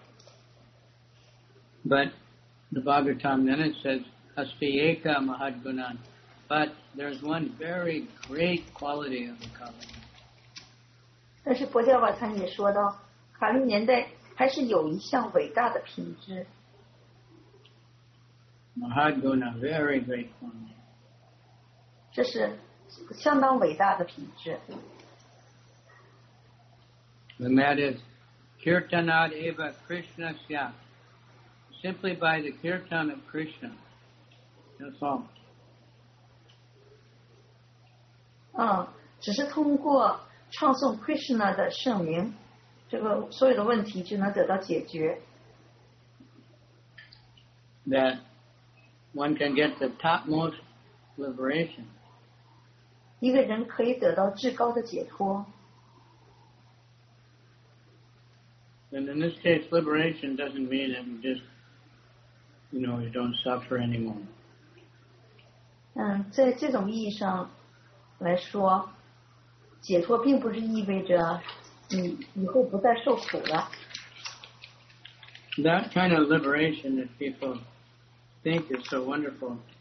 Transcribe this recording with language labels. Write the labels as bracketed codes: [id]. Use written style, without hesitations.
[zh] 所以人们因为有这么多的错误包裹着，所以不能够很好的去看，去辨别。 [en] But the Bhagavatam then it says, [sa] "Asti eka mahadgunan." [en] But there's one very great quality of the Kali. [zh] 但是佛教瓦禅也说到，卡利年代还是有一项伟大的品质。 [en] Mahadguna, very great quality. [zh] 这是相当伟大的品质. [en] And that is, [sa] kirtanad eva krishnasya. [en] Simply by the kirtan of Krishna. That's all. [zh] 只是通过唱诵 Krishna 的圣名，这个所有的问题就能得到解决. [en] That one can get the topmost liberation. [zh] 一个人可以得到至高的解脱. [en] And in this case, liberation doesn't mean that you just, you know, you don't suffer anymore. [zh] 在这种意义上来说，解脱并不是意味着你以后不再受苦了. [en] That kind of liberation that people think is so wonderful.